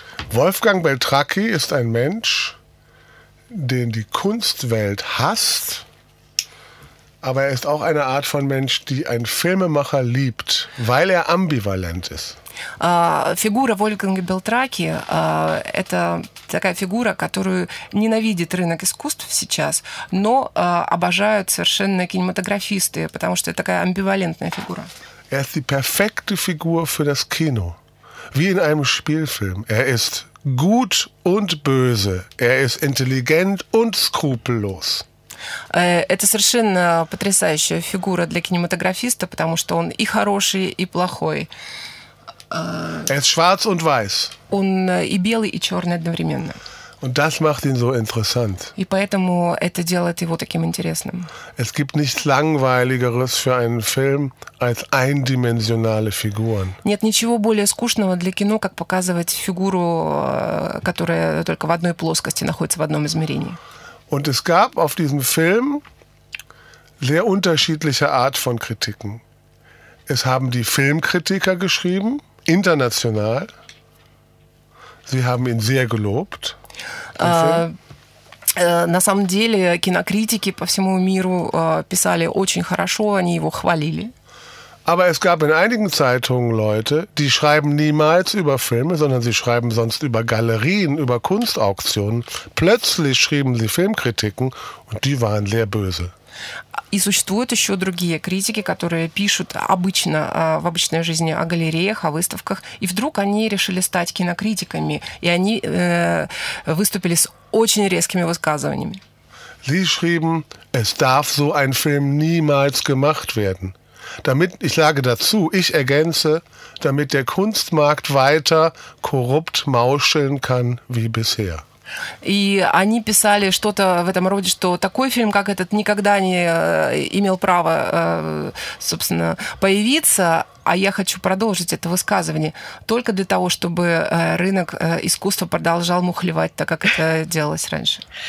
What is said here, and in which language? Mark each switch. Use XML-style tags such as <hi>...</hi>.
<de>Wolfgang Beltracchi ist ein Mensch, den die Kunstwelt hasst, aber er ist auch eine Art von Mensch, die ein Filmemacher liebt, weil er ambivalent ist.</de> <ru>Фигура Вольфганга Белтраки – это такая фигура, которую ненавидит рынок искусств сейчас, но обожают совершенно кинематографисты, потому что это такая амбивалентная фигура.</ru> <de>Er ist die perfekte Figur für das Kino. Wie in einem Spielfilm. Ist gut und böse. Ist intelligent und skrupellos.</de> <ru>Это совершенно потрясающая фигура для кинематографиста, потому что он и хороший, и плохой.</ru> <de>Ist schwarz und weiß.</de> <ru>Он и белый, и черный одновременно.</ru> <de>Und das macht ihn so interessant.</de> <ru>И поэтому это делает его таким интересным.</ru> <de>Es gibt nichts langweiligeres für einen Film als eindimensionale Figuren.</de> <ru>Нет ничего более скучного для кино, как показывать фигуру, которая только в одной плоскости находится, в одном измерении.</ru> <de>Und es gab auf diesem Film sehr unterschiedliche Art von Kritiken. Es haben die Filmkritiker geschrieben, international. Sie haben ihn sehr gelobt.</de> <ru>На самом деле кинокритики по всему миру писали очень хорошо, они его хвалили.</ru> <de>Aber es gab in einigen Zeitungen Leute, die schreiben niemals über Filme, sondern sie schreiben sonst über Galerien, über Kunstauktionen. Plötzlich schrieben sie Filmkritiken und die waren sehr böse.</de> <ru>И существуют еще другие критики, которые пишут обычно в обычной жизни о галереях, о выставках, и вдруг они решили стать кинокритиками, и они выступили с очень резкими высказываниями.</ru> <de>Sie schrieben, es darf so ein Film niemals gemacht werden. Damit, ich sage dazu, ich ergänze, damit der Kunstmarkt weiter korrupt mauscheln kann wie bisher.</de> <ru>И они писали что-то в этом роде, что такой фильм, как этот, никогда не имел права, собственно, появиться, а я хочу продолжить это высказывание только для того, чтобы рынок искусства продолжал мухлевать, так как это делалось раньше.</ru>